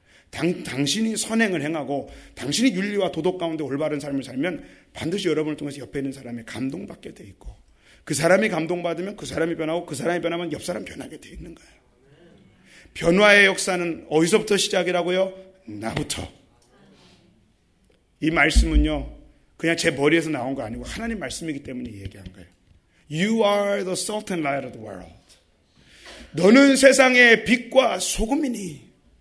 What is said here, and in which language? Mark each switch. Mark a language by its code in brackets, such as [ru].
[ko] 당신이 선행을 행하고 당신이 윤리와 도덕 가운데 올바른 삶을 살면 반드시 여러분을 통해서 옆에 있는 사람이 감동받게 돼 있고 그 사람이 감동받으면 그 사람이 변하고 그 사람이 변하면 옆 사람 변하게 돼 있는 거예요. 변화의 역사는 어디서부터 시작이라고요? 나부터. 이 말씀은요 그냥 제 머리에서 나온 거 아니고 하나님 말씀이기 때문에 얘기한 거예요. [en] You are the salt and light of the world. [ko] 너는 세상의 빛과 소금이니.